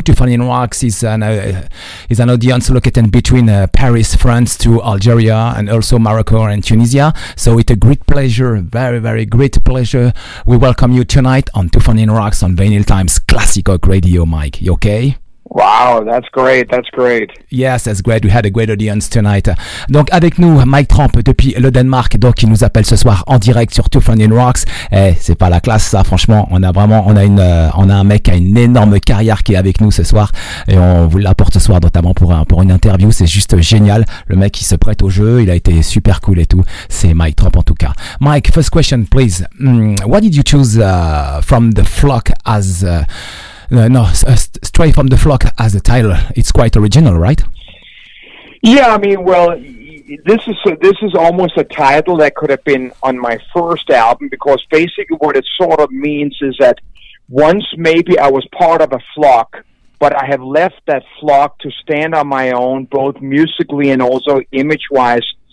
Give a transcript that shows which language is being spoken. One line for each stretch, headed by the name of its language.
English: Two Funnin' Rocks is an audience located between Paris, France to Algeria and also Morocco and Tunisia. So it's a great pleasure, very, very great pleasure. We welcome you tonight on Two Funnin' Rocks on Vinyl Times Classic Rock Radio, Mike. You okay? Wow, that's great, that's great. Yes, that's great, we had a great audience tonight.
French: Donc avec nous, Mike Tramp depuis le Danemark, donc il nous appelle ce soir en direct sur Two Funnin' Rocks. Eh, c'est pas la classe ça, franchement, on a un mec qui a une énorme carrière qui est avec nous ce soir, et on vous l'apporte ce soir, notamment pour une interview, c'est juste génial. Le mec, il se prête au jeu, il a été super cool et tout, c'est Mike Tramp en tout cas.
English: Mike, first question please. What did you choose from the flock as... Stray from the Flock as a title. It's quite original, right? Yeah, I mean, well, this is almost a title that could have been on my first album, because basically what it sort of means is that once maybe I was part of a flock, but I have left that flock to stand on my own, both musically and also image-wise.